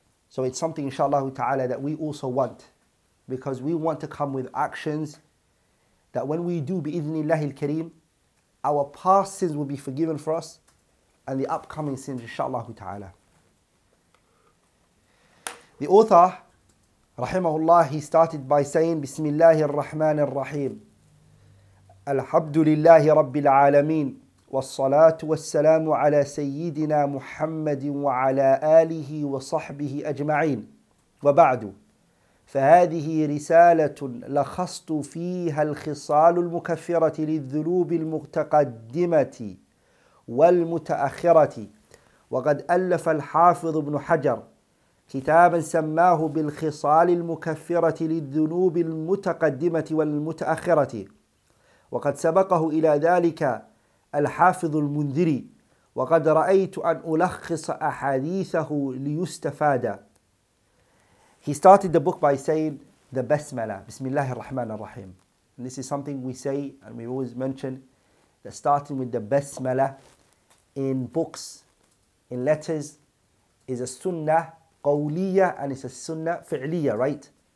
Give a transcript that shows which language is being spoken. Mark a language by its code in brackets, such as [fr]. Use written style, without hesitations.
[en] So it's something, inshallah ta'ala, that we also want, because we want to come with actions that when we do [ar] bi-idhnillahi al-kareem, [en] our past sins will be forgiven for us and the upcoming sins, inshallah ta'ala. The author, rahimahullah, he started by saying, [ar] Bismillahir Rahmanir Rahim. Alhamdulillahi Rabbil Alameen. والصلاة والسلام على سيدنا محمد وعلى آله وصحبه أجمعين وبعد فهذه رسالة لخصت فيها الخصال المكفرة للذنوب المتقدمة والمتأخرة. وقد ألف الحافظ ابن حجر كتابا سماه بالخصال المكفرة للذنوب المتقدمة والمتأخرة، وقد سبقه إلى ذلك الحافظ المنذري، وقد رأيت أن ألخص أحاديثه ليستفاد. [en] He started the book by saying the basmala, [ar] Bismillah ar-Rahman ar-Rahim. [en] And this is something we say and we always mention, that starting with the basmala in books, in letters, is a sunnah qawliyah and it's a sunnah fi'liyah, right?